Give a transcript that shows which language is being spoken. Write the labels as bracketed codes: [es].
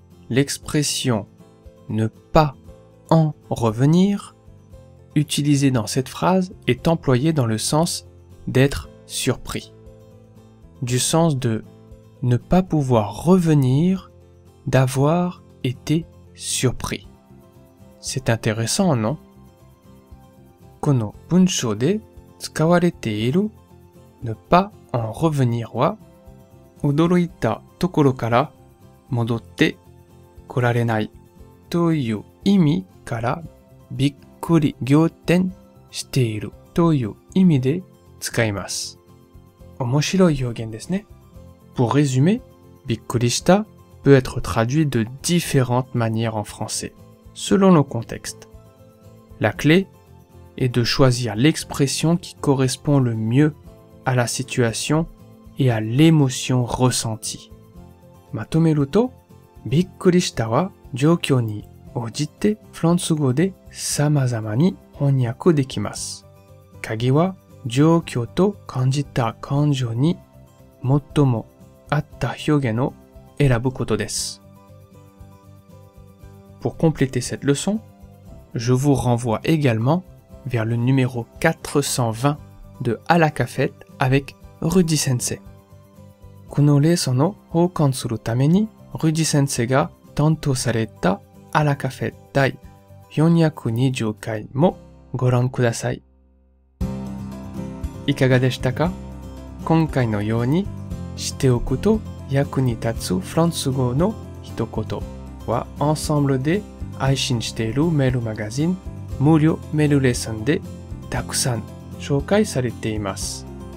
[fr] L'expression « ne pas en revenir » utilisée dans cette phrase est employée dans le sens d'être surpris. Du sens de « ne pas pouvoir revenir » d'avoir été surpris. C'est intéressant, non ? [ja] この文章で使われているne pas en revenir は、驚いたところから戻って来られないという意味からびっくり仰天しているという意味で使います。面白い表現ですね。 [fr] Pour résumer, びっくりした peut être traduit de différentes manières en français, selon le contexte. La clé est de choisir l'expression qui correspond le mieux à la situation et à l'émotion ressentie. [ja] まとめると、びっくりしたは状況に応じてフランス語で様々に翻訳できます。鍵は状況と感じた感情に最も合った表現を選ぶことです。 [fr] Pour compléter cette leçon, je vous renvoie également vers le numéro 420 de À la cafette avec Rudy Sensei. [ja] このレッスンを補完するために、Rudy Sensei が担当されたアラカフェ第420回もご覧ください。いかがでしたか？今回のように知っておくと役に立つフランス語の一言は、Ensemble で配信しているメールマガジン無料メールレッスンでたくさん紹介されています。